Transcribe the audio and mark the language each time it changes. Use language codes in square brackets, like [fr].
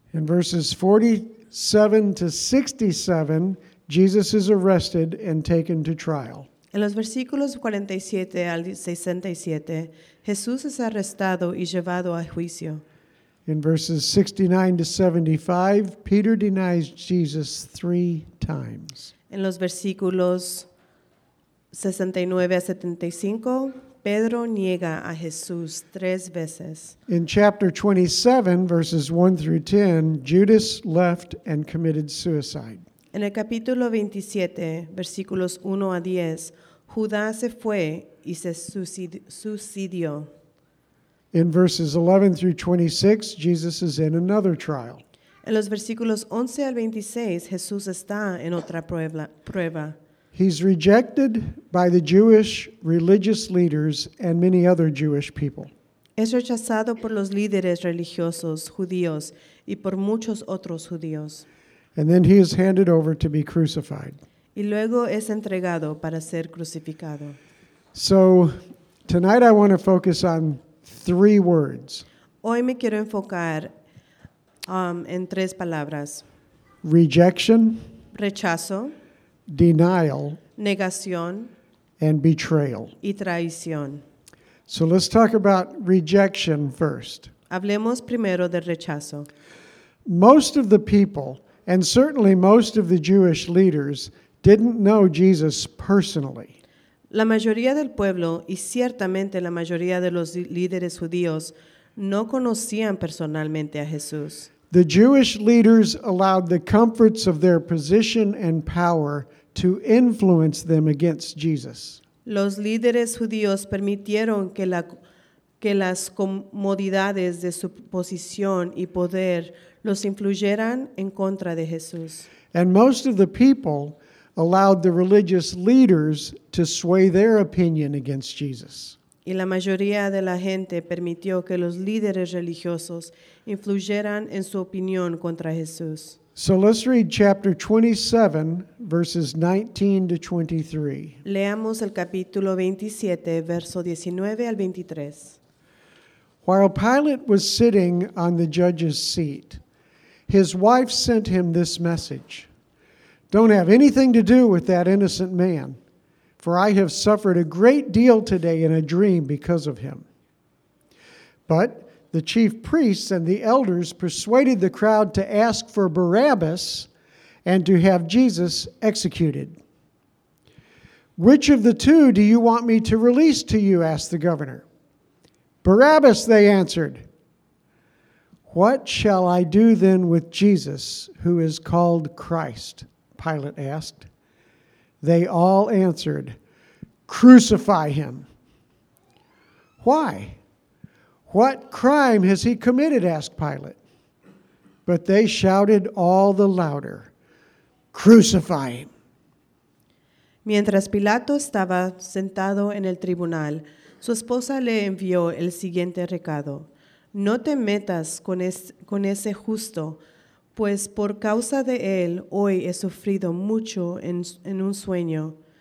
[en] In verses 47 to 67, Jesus is arrested and taken to trial. [es] En los versículos 47 al 67, Jesús es arrestado y llevado a juicio. [en] In verses 69 to 75, Peter denies Jesus 3 times. [es] En los versículos 69 a 75, Pedro niega a Jesús 3 veces. [en] In chapter 27, verses 1 through 10, Judas left and committed suicide. [es] En el capítulo 27, versículos 1 a 10, Judá se fue y se suicidó. [en] In verses 11 through 26, Jesus is in another trial. [es] En los versículos 11 al 26, Jesús está en otra prueba. [en] He's rejected by the Jewish religious leaders and many other Jewish people. [es] Es rechazado por los líderes religiosos judíos y por muchos otros judíos. [en] And then he is handed over to be crucified. [es] Y luego es entregado para ser crucificado. [en] So, tonight I want to focus on three words. [es] Hoy me quiero enfocar en tres palabras. [en] Rejection. [es] Rechazo. [en] Denial. [es] Negación. [en] And betrayal. [es] Y traición. [en] So let's talk about rejection first. [es] Hablemos primero del rechazo. [en] Most of the people, and certainly most of the Jewish leaders, didn't know Jesus personally. [es] La mayoría del pueblo, y ciertamente la mayoría de los líderes judíos, no conocían personalmente a Jesús. [en] The Jewish leaders allowed the comforts of their position and power to influence them against Jesus. [es] Los líderes judíos permitieron que las comodidades de su posición y poder los influyeran en contra de Jesús. [en] And most of the people allowed the religious leaders to sway their opinion against Jesus. [es] Y la mayoría de la gente permitió que los líderes religiosos influyeran en su opinión contra Jesús. [en] So let's read chapter 27, verses 19 to 23. [es] Leamos el capítulo 27, verso 19 al 23. [en] While Pilate was sitting on the judge's seat, his wife sent him this message: "Don't have anything to do with that innocent man, for I have suffered a great deal today in a dream because of him." But the chief priests and the elders persuaded the crowd to ask for Barabbas and to have Jesus executed. "Which of the two do you want me to release to you?" asked the governor. "Barabbas," they answered. "What shall I do then with Jesus, who is called Christ?" Pilate asked. They all answered, "Crucify him." "Why? What crime has he committed?" asked Pilate. But they shouted all the louder, "Crucify him." [es] Mientras Pilato estaba sentado en el tribunal, su esposa le envió el siguiente recado: "No te metas con ese justo, pues por causa de él hoy he sufrido mucho en un sueño.